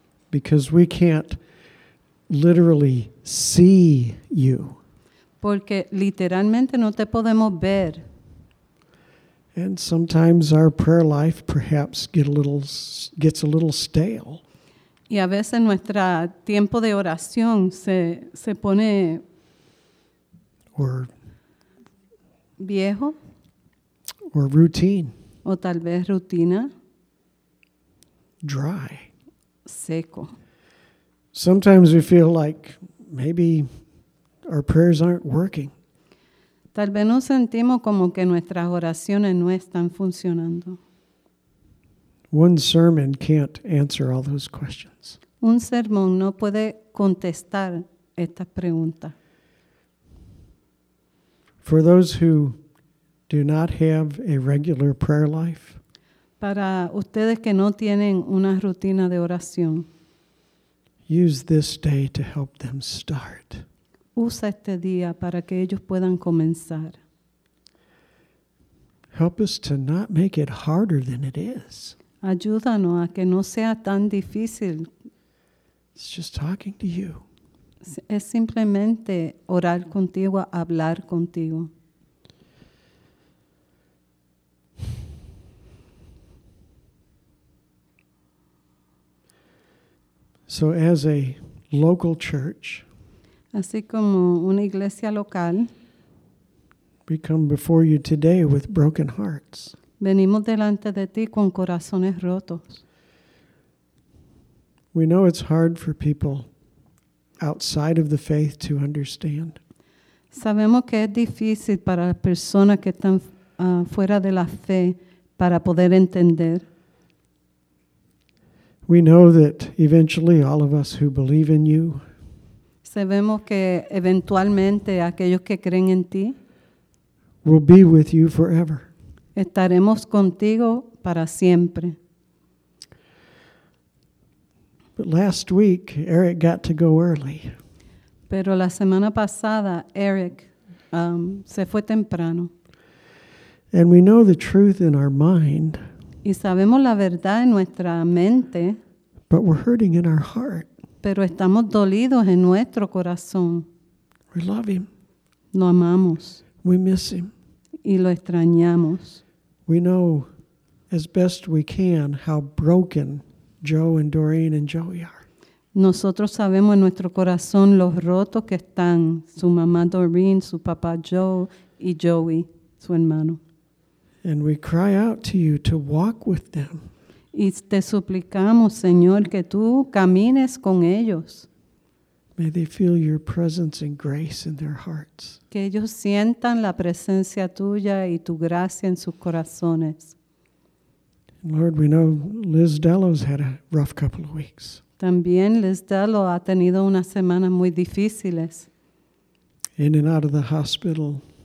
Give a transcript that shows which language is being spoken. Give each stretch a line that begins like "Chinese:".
English: Because we can't literally see you.
Spanish: Porque literalmente no te podemos ver.
English: And sometimes our prayer life perhaps gets a little stale.
Spanish: Y a veces nuestro tiempo de oración se pone
English: or
Spanish: viejo.
English: Or routine.
Spanish: O tal vez rutina.
English: Dry.
Spanish: Seco.
English: Sometimes we feel like maybe our prayers aren't working.
Spanish: Tal vez nos sentimos como que nuestras oraciones no están funcionando.
English: One sermon can't answer all those questions.
Spanish: Un sermón no puede contestar esta pregunta.
English: For those who do not have a regular prayer life,
Spanish: para ustedes que no tienen una rutina de oración,
English: use this day to help them start.
Spanish: Usa este día para que ellos puedan comenzar.
English: Help us to not make it harder than it is.
Spanish: Ayúdanos a que no sea tan difícil.
English: It's just talking to you.
Spanish: Es simplemente orar contigo, hablar contigo.
English: So as a local church,
Spanish: así como una iglesia local,
English: we come before you today with broken hearts.
Spanish: Venimos delante de ti con corazones rotos.
English: We know it's hard for people outside of the faith to understand.
Spanish: Sabemos que es difícil para las personas que están fuera de la fe para poder entender.
English: We know that eventually all of us who believe in you,
Spanish: sabemos que eventualmente aquellos que creen en ti,
English: will be with you forever.
Spanish: Estaremos contigo para siempre.
English: But last week, Eric got to go early.
Spanish: Pero la semana pasada, Eric se fue temprano.
English: And we know the truth in our mind.
Spanish: Y sabemos la verdad en nuestra mente.
English: But we're hurting in our heart.
Spanish: Pero estamos dolidos en nuestro corazón.
English: We love him.
Spanish: Lo amamos.
English: We miss him.
Spanish: Y lo extrañamos.
English: We know as best we can how broken Joe and Doreen and Joey are.
Spanish: Nosotros sabemos en nuestro corazón lo rotos que están su mamá Doreen, su papá Joe y Joey, su hermano.
English: And we cry out to you to walk with them.
Spanish: Y te suplicamos, Señor, que tú camines con ellos.
English: May they feel your presence and grace in their hearts.
Spanish: Que ellos sientan la presencia tuya y tu gracia en sus corazones.
English: Lord, we know Liz Dello's had a rough couple of weeks.
Spanish: También Liz Dello ha tenido unas semanas muy difíciles.
English: In and out of the hospital.